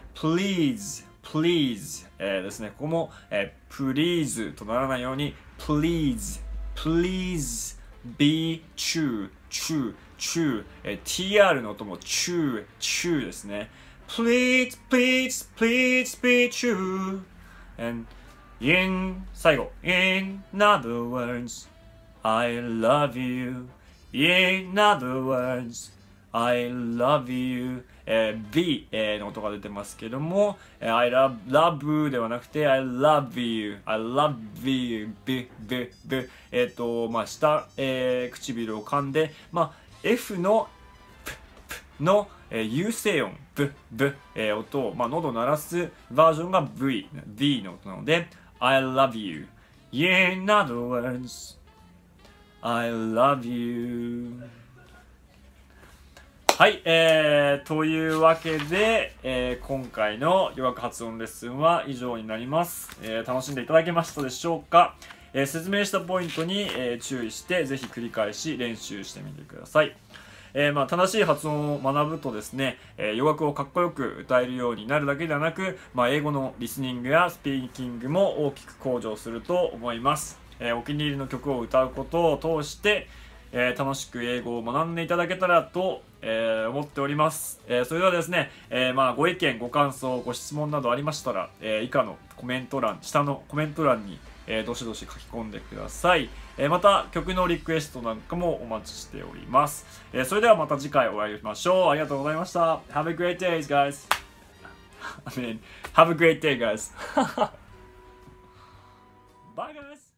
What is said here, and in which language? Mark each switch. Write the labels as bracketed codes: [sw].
[ja] please please、ですね、ここも、please とならないように [en] please please be true true true、 [ja] TR の音も true true ですね。 [en] please please please be true and in 最後 in other words I love you in other wordsI love you、 [ja] be、の音が出てますけども、 [en] I love, love ではなくて I love you I love you be, be, be、 [ja] まあ、下、唇を噛んで、まあ、F の p, p の、有声音 b, b、音を、まあ、喉を鳴らすバージョンが V, V の音なので [en] I love you In other words I love you [ja] はい、というわけで、今回の予約発音レッスンは以上になります。楽しんでいただけましたでしょうか。説明したポイントに、注意してぜひ繰り返し練習してみてください。まあ、正しい発音を学ぶとですね、予約をかっこよく歌えるようになるだけではなく、まあ、英語のリスニングやスピーキングも大きく向上すると思います。お気に入りの曲を歌うことを通して楽しく英語を学んでいただけたらと、思っております。それではですね、まあ、ご意見ご感想ご質問などありましたら、以下のコメント欄下のコメント欄に、どしどし書き込んでください。また曲のリクエストなんかもお待ちしております。それではまた次回お会いしましょう。ありがとうございました。 [en] Have a great day guys I mean Have a great day guys Bye guys